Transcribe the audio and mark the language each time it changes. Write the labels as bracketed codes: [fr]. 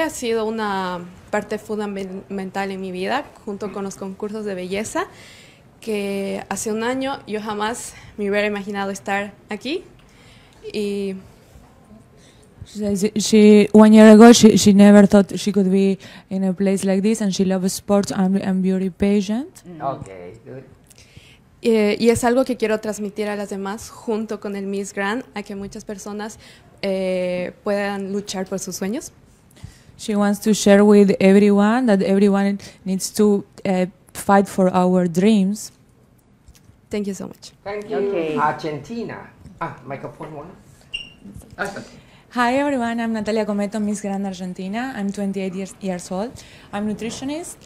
[es] Ha sido una parte fundamental en mi vida, junto con los concursos de belleza. Que hace un año yo jamás me hubiera imaginado estar aquí. Y [en] she 1 year ago she never thought she could be in a place like this, and she loves sports and beauty pageant. Okay. [es] Y es algo que quiero transmitir a las demás junto con el Miss Grand, a que muchas personas puedan luchar por sus sueños. [en] She wants to share with everyone that everyone needs to fight for our dreams. Thank you so much. Thank you. Okay. Argentina. Microphone one. Hi everyone, I'm Natalia Cometo, Miss Grand Argentina. I'm 28 years old. I'm a nutritionist.